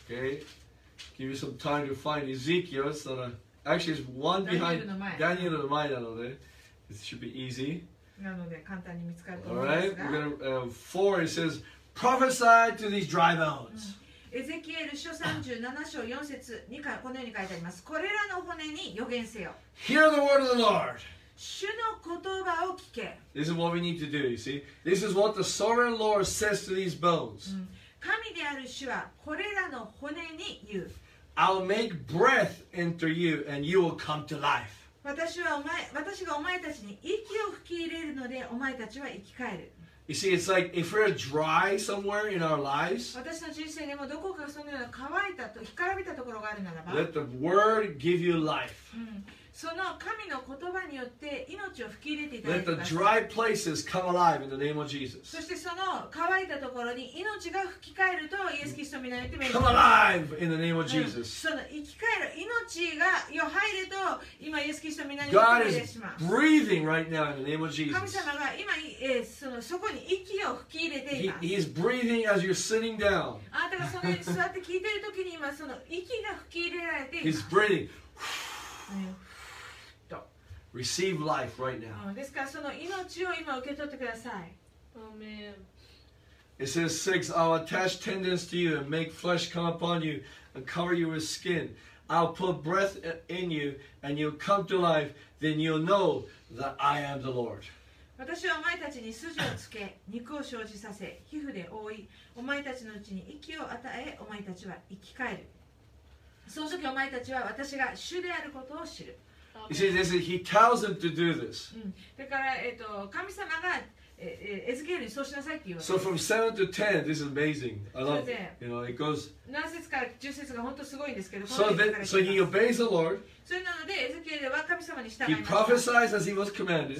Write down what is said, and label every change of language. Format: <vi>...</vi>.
<en>Okay, give you some time to find Ezekiel. It's not a, actually, it's one behind Daniel</en> <ja>の前なので、</ja> <en>it should be easy.</en> <ja>なので簡単に見つかると思いますが、</ja> <en>All right, we're gonna, 4 it says prophesy to these dry bones、</en> <ja>うん、エゼキエル書37章4節にかこのように書いてあります。これらの骨に予言せよ。</ja> <en>Hear the word of the Lord.</en> <ja>主の言葉を聞け。</ja> <en>This is what we need to do, you see. This is what the sovereign Lord says to these bones、</en> <ja>うん、神である主はこれらの骨に言う。</ja> <en>I'll make breath enter you and you will come to life.</en> <ja>私がお前たちに息を吹き入れるので、お前たちは生き返る。</ja> <en>You see, it's like if we're dry somewhere in our lives,</en> <ja>私の人生でもどこかそのような乾いたと、干からびたところがあるならば、</ja> <en>Let the word give you life.、</en> <ja>うん、その神の言葉によって命を吹き入れていただきます。</ja> <en>Let the dry places come alive in the name of Jesus.</en> <ja>そしてその乾いたところに命が吹き返るとイエス・キリストの御名によって命じます。</ja> <en>Come alive in the name of Jesus.、</en> <ja>うん、その生き返る命がよ入ると今イエス・キリストの御名によって命じます。</ja> <en>God is breathing right now in the name of Jesus.</en> <ja>神様が今、そこに息を吹き入れています。</ja> <en>He is breathing as you're sitting down.</en> <ja>あなたがそのように座って聞いているときに今その息が吹き入れられています。</ja> <en>He's breathing. 、うんReceive life right now.</en> <ja>ですからその命を今受け取ってください。</ja> <en>Amen. It says six, I'll attach tendons to you and make flesh come upon you and cover you with skin. I'll put breath in you and you'll come to life. Then you'll know that I am the Lord.</en> <ja>私はお前たちに筋をつけ、肉を生じさせ、皮膚で覆い、お前たちのうちに息を与え、お前たちは生き返る。その時お前たちは私が主であることを知る。</ja> <en>You see, this is, he tells them to do this.、</en> <ja>うん、だから、神様がエズケエルにそうしなさいって言われて。</ja> <en>So from 7 to 10, this is amazing. I love it. You know, it goes...</en> <ja>何節から10節が本当すごいんですけど、</ja> <en>so, then, so he obeys the Lord.</en> <ja>それなので、エズケエルは神様に従います。</ja> <en>He prophesies as he was commanded.</en>